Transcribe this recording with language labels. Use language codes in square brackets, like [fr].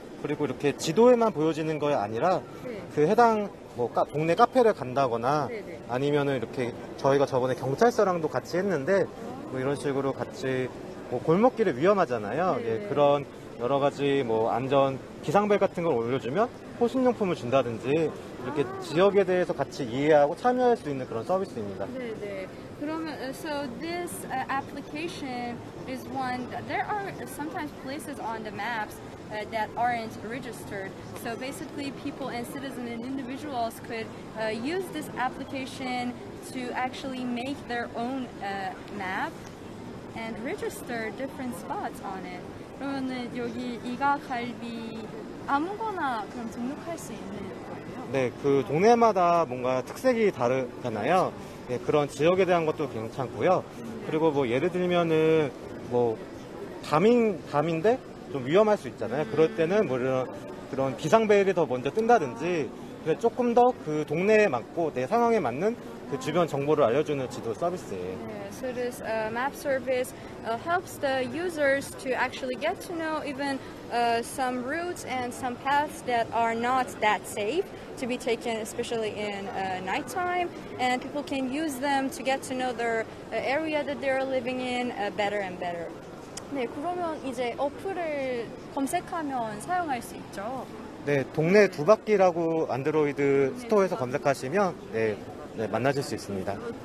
[ko] 그리고 이렇게 지도에만 보여지는 게 아니라 그 해당 뭐 동네 카페를 간다거나 아니면은 이렇게 저희가 저번에 경찰서랑도 같이 했는데 뭐 이런 식으로 같이 뭐 골목길이 위험하잖아요. 예, 그런 여러 가지 뭐 안전 기상벨 같은 걸 올려주면 호신용품을 준다든지 이렇게 지역에 대해서 같이 이해하고 참여할 수 있는 그런 서비스입니다. 네네. 그러면 [en] so this application is one. There are sometimes places on the maps that aren't registered. So basically, people and citizens and individuals could use this application to actually make their own map and register different spots on it. [ko] 그러면 여기 이가 갈비 아무거나 그럼 등록할 수 있는 거예요? 네, 그 동네마다 뭔가 특색이 다르잖아요. 네, 그런 지역에 대한 것도 괜찮고요. 그리고 뭐 예를 들면은 뭐 밤인데 좀 위험할 수 있잖아요. 그럴 때는 뭐 이런 그런 비상벨이 더 먼저 뜬다든지 조금 더 그 동네에 맞고 내 상황에 맞는 그 주변 정보를 알려주는 지도 서비스예요. [en] Yeah, so this map service helps the users to actually get to know even some routes and some paths that are not that safe to be taken, especially in nighttime. And people can use them to get to know their area that they are living in better and better. [ko] 네, 그러면 이제 어플을 검색하면 사용할 수 있죠? 네, 동네 두 바퀴라고 안드로이드 네, 스토어에서 검색하시면 네, 만나실 수 있습니다.